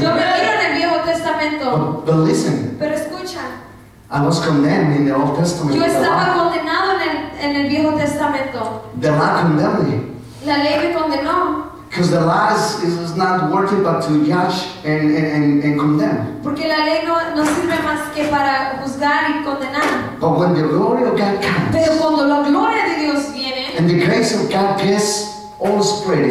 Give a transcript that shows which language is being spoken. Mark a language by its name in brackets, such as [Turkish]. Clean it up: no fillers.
[Spanish] Yo me miro en el Viejo Testamento. [English] But listen. [Spanish] Pero escucha. [English] I was condemned in the Old Testament. [Spanish] Yo estaba condenado en el Viejo Testamento. [English] The law condemned me. [Spanish] La ley me condenó. [English] Because the law is not worthy but to judge and condemn. [Spanish] Porque la ley no sirve más que para juzgar y condenar. [English] But when the glory of God comes, [Spanish] pero cuando la gloria de Dios viene, [English] and the grace of God gets all spreading,